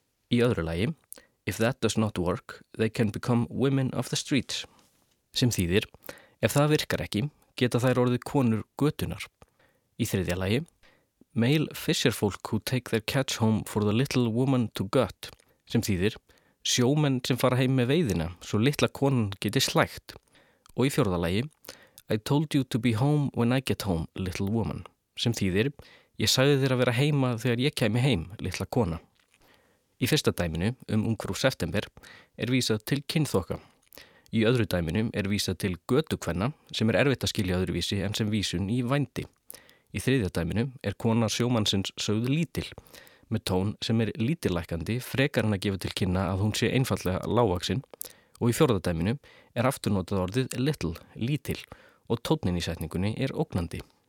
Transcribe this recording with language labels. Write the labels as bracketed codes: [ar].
[is] Í öðru lagi, [en] if that does not work, they can become women of the streets. [is] Sem þýðir, ef það virkar ekki, geta þær orðið konur götunar. Í þriðja lagi, [en] male fisherfolk who take their catch home for the little woman to gut. [is] Sem þýðir, sjómenn sem fara heim með veiðina, svo litla konan geti slægt. Og í fjórða lagi, [en] I told you to be home when I get home, little woman. [is] Sem þýðir, ég sagði þér að vera heima þegar ég kæmi heim, litla kona. Í fyrsta dæminu Ungfrú September er vísað til kynþoka. Í öðru dæminu er vísað til götukvenna sem er erfitt að skilja öðruvísi en sem vísun í vændi. Í þriðja dæminu er kona sjómannsins sögð lítil með tón sem er lítillækkandi frekar en að gefa til kynna að hún sé einfaldlega lágvaxin og í fjórða dæminu er aftur notað orðið little, lítil og tónninn í setningunni er ógnandi.